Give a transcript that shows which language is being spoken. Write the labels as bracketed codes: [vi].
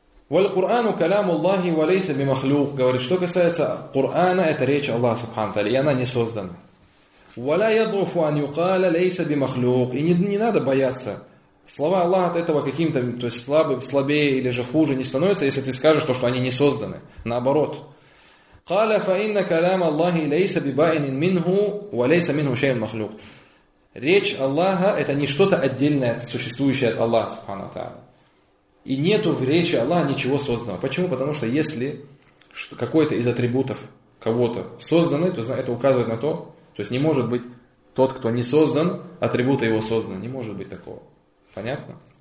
[ar] والقرآن كلام الله وليس بمخلوق. [ru] Говорит, что касается Корана, это речь Аллаха Субхану Тааля, и она не создана. [ar] ولا يضعف أن يقال ليس بمخلوق. [ru] И не надо бояться. Слова Аллаха от этого каким-то, то есть слабее или же хуже не становятся, если ты скажешь то, что они не созданы. Наоборот. [ar] قال فإن كلام الله ليس ببائن منه وليس منه شيء مخلوق. [ru] Речь Аллаха это не что-то отдельное, существующее от Аллаха Субхану Тааля. И нету в речи Аллаха ничего созданного. Почему? Потому что если какой-то из атрибутов кого-то созданный, то это указывает на то, то есть не может быть тот, кто не создан, атрибуты его созданы. Не может быть такого. Понятно?